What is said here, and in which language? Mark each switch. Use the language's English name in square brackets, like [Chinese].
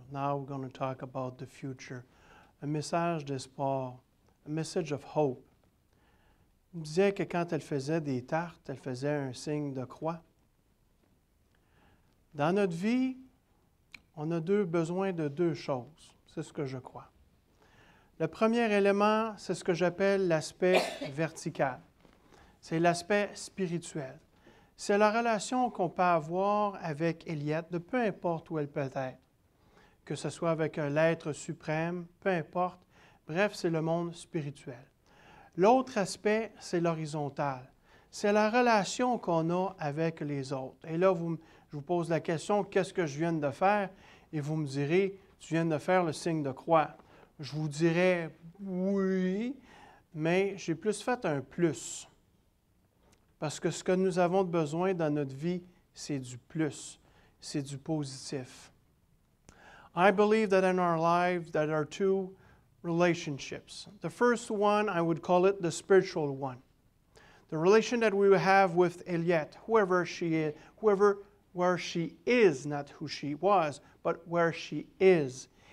[English] Now we're going to talk about the future. [French] Un message d'espoir, [English] a message of hope. [French] Elle me disait que quand elle faisait des tartes, elle faisait un signe de croix. Dans notre vie, on a besoin de deux choses. C'est ce que je crois. Le premier élément, c'est ce que j'appelle l'aspect vertical. C'est l'aspect spirituel. c'est la relation qu'on peut avoir avec Eliette, de peu importe où elle peut être, que ce soit avec un être suprême, peu importe. Bref, c'est le monde spirituel. L'autre aspect, c'est l'horizontal. C'est la relation qu'on a avec les autres. Et là, je vous pose la question, qu'est-ce que je viens de faire? Et vous me direz, tu viens de faire le signe de croix. Je vous dirais oui, mais j'ai plus fait un plus. Parce que ce que nous avons besoin dans notre vie, c'est du plus, c'est du positif. [English] I believe that in our life, that are two relationships. The first one, I would call it the spiritual one. The relation that we have with Eliette, whoever she is, where she is, not who she was, but where she is.